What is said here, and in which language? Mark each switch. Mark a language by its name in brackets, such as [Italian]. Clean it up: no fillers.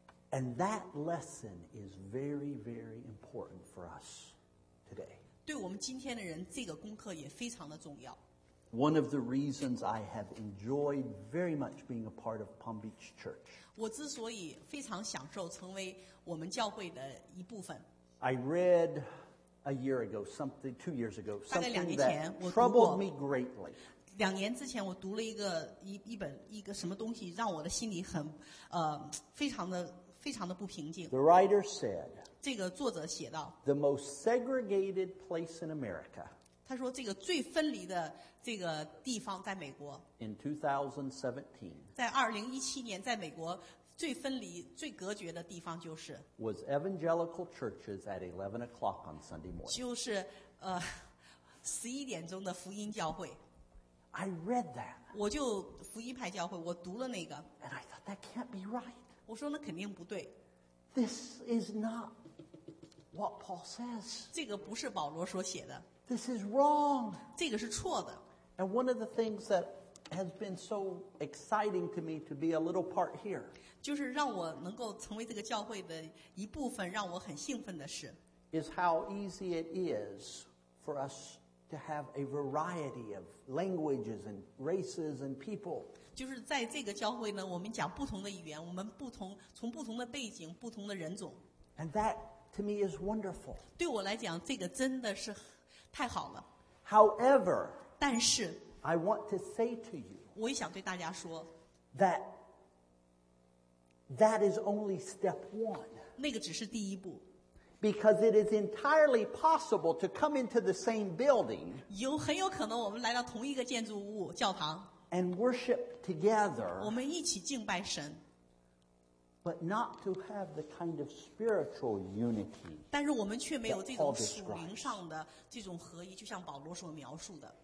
[English] And that lesson is very, very important for us today. [Chinese] 对我们今天的人，这个功课也非常的重要。 [English] One of the reasons I have enjoyed very much being a part of Palm Beach Church. [Chinese] 我之所以非常享受成为我们教会的一部分。 [English] I read a year ago, something, 2 years ago, something that troubled me greatly. [Chinese] 两年之前我读了一个 一本什么东西，让我的心里很非常的不平静。 [English] The writer said, [Chinese] 这个作者写道， [English] The most segregated place in America, [Chinese] 他说这个最分离的这个地方在美国， [English] In 2017, [Chinese] 在2017年在美国最分离最隔绝的地方就是 [English] was evangelical churches at 11 o'clock on Sunday morning, [Chinese] 就是11点钟的福音教会。 [English] I read that. [Chinese] 我就福音派教会，我读了那个。 [English] And I thought that can't be right. [Chinese] 我说那肯定不对。 [English] This is not what Paul says. [Chinese] 这个不是保罗所写的。 [English] This is wrong. [Chinese] 这个是错的。 [English] And one of the things that has been so exciting to me to be a little part here. [Chinese] 就是让我能够成为这个教会的一部分，让我很兴奋的是。 [English] Is how easy it is for us to have a variety of languages and races and people. [Chinese] 就是在这个教会呢，我们讲不同的语言，我们不同，从不同的背景，不同的人种。 [English] And that to me is wonderful. [Chinese] 对我来讲，这个真的是太好了。 [English] However, [Chinese] 但是 [English] I want to say to you, [Chinese] 我也想对大家说 [English] that is only step one. [Chinese] 那个只是第一步。 [English] Because it is entirely possible to come into the same building, [Chinese] 有很有可能我们来到同一个建筑物教堂 [English] and worship together, [Chinese] 我们一起敬拜神 [English] but not to have the kind of spiritual unity, [Chinese] 但是我们却没有这种属灵上的这种合一，就像保罗所描述的。